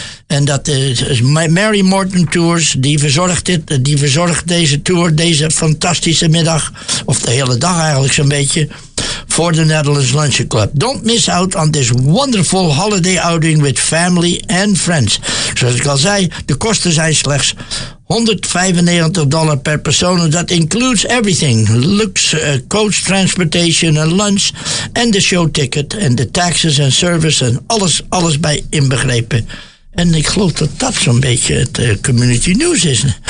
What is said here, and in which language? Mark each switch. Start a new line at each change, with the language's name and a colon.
Dutch: En dat is Mary Morton Tours, die verzorgt deze tour, deze fantastische middag, of de hele dag eigenlijk zo'n beetje, voor de Netherlands Luncheon Club.
English: Don't miss out on this wonderful holiday outing with family and friends.
Dutch: Zoals ik al zei, de kosten zijn slechts $195 per persoon.
English: That includes everything. Coach, transportation and lunch. And the show ticket. And the taxes and service.
Dutch: En alles bij inbegrepen. En ik geloof dat zo'n beetje het community news is.